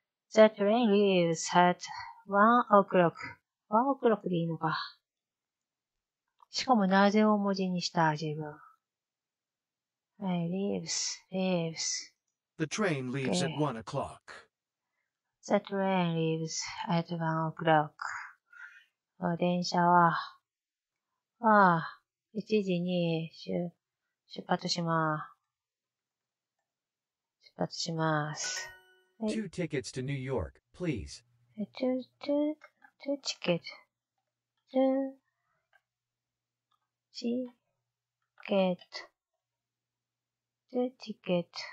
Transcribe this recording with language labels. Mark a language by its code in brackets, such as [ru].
[en] The train leaves at one o'clock. One o'clock [ja] でいいのか。しかもなぜ大文字にした？自分。はい、leaves. [en] The train leaves at Okay. 1 o'clock. The train leaves at 1 o'clock. [ja] 電車は、1時に出発します。出発します。はい。 [en] Two tickets to New York, please. two ticket. two ticket. The ticket.